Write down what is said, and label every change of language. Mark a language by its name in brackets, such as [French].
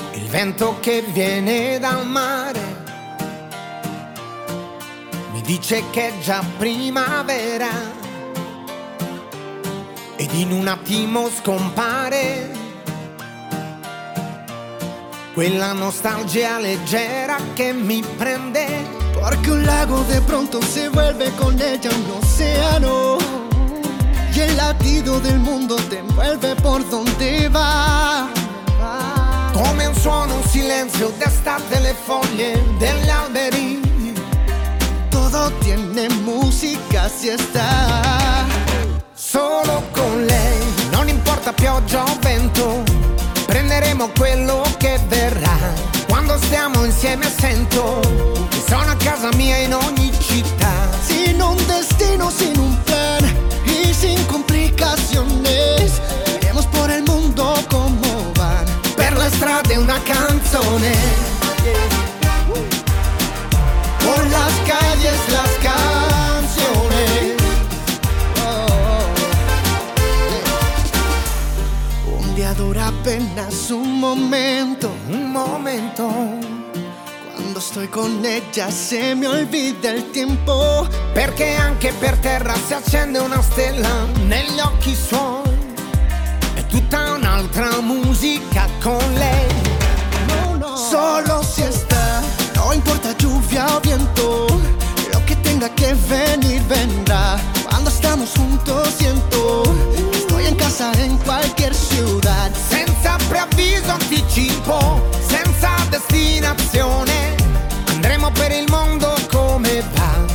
[Italian] Vento che viene dal mare mi dice che è già primavera ed in un attimo scompare quella nostalgia leggera che mi prende. [Spanish] Porque un lago de pronto se vuelve con ella un océano y el latido del mundo te envuelve por donde va. [Italian] Come un suono, un silenzio d'estate, le foglie degli alberi. [Spanish] Todo tiene música si está [Italian] solo con lei. Non importa pioggia o vento, prenderemo quello che verrà. Quando stiamo insieme sento che sono a casa mia in ogni città. [Spanish] Sin un destino, sin un plan y sin complicaciones, iremos por el mundo con [Italian] strade una canzone, [Spanish] por las calles las canciones. Un día dura apenas un momento, un momento. Cuando estoy con ella se me olvida el tiempo. [Italian] Perché anche per terra si accende una stella negli occhi suoi. Tutta un'altra musica con lei. [Spanish] No, no. Solo si está, no importa lluvia o viento, lo que tenga que venir vendrá. Cuando estamos juntos siento que estoy en casa en cualquier ciudad. [Italian] Senza preavviso anticipo, senza destinazione, andremo per il mondo come va.